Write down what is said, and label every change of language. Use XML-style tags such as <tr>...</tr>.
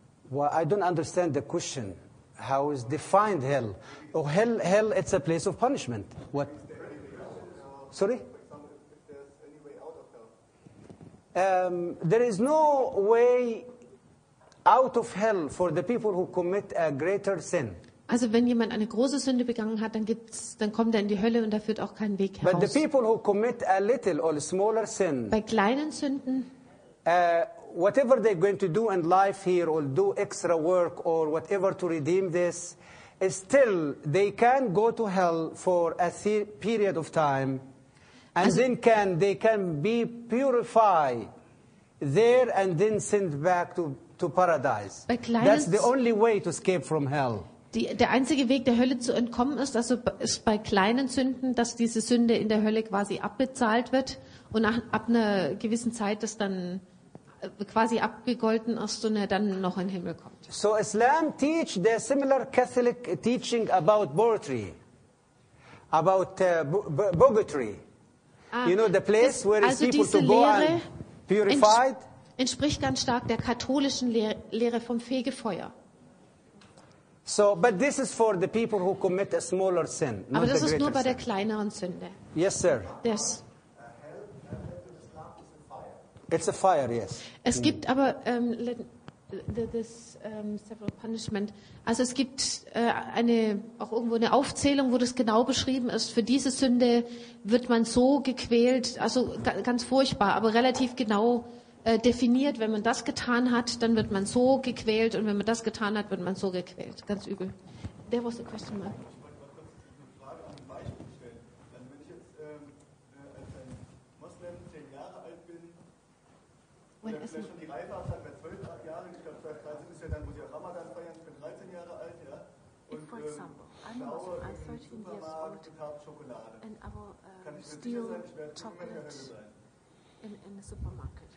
<en>Well, I don't understand the question. How is defined hell? Oh, hell, hell, it's a place of punishment. What? Sorry? There is no way out of hell for the people who commit a greater sin.</en> <de>Also wenn jemand eine große Sünde begangen hat, dann kommt er in die Hölle und da führt auch keinen Weg heraus.</de> <en>But the people who commit a little or a smaller sin,</en> <de>bei kleinen Sünden,</de> <en>whatever they're going to do in life here or do extra work or whatever to redeem this, still they can go to hell for a period of time and then they can be purified there and then sent back to paradise. That's the only way to escape from hell.</en> <de>Der einzige Weg der Hölle zu entkommen ist, also ist bei kleinen Sünden, dass diese Sünde in der Hölle quasi abbezahlt wird und ab einer gewissen Zeit das dann quasi abgegolten ist und er dann noch in den Himmel kommt.</de> <en>So Islam teach the similar Catholic teaching about purgatory. You know the place where</en> <de>also</de> <en>it's people to go</en> <de>Lehre</de> <en>and purified.</en> <de>Entspricht ganz stark der katholischen Lehre vom Fegefeuer.</de> <en>So, but this is for the people who commit a smaller sin.</en> <de>Aber das ist nur bei</de> <en>sin.</en> <de>Der kleineren Sünde.</de> <en>Yes, sir. Yes. It's a fire, yes.</en> <de>Es gibt aber</de> <en>several punishment.</en> <de>Also es gibt eine auch irgendwo eine Aufzählung, wo das genau beschrieben ist. Für diese Sünde wird man so gequält, also ganz furchtbar, aber relativ genau. Definiert, wenn man das getan hat, dann wird man so gequält und wenn man das getan hat, wird man so gequält. Ganz übel.</de> <en>There was a question, Mark.</en> <de>Ich wollte mal kurz eine Frage an ein Beispiel stellen. Dann, wenn ich jetzt als ein Moslem 10 Jahre alt bin, vielleicht schon die Reife habe, seit 12 Jahren, ich glaube, 2013 ist ja dann, wo sie auch Ramadan feiern, ich bin 13 Jahre alt, ja.</de> <en>Und for example, I'm Muslim, I'm 13 years old,</en> <de>und habe Schokolade.</de> <en>And I will steal chocolate in the supermarket.</en>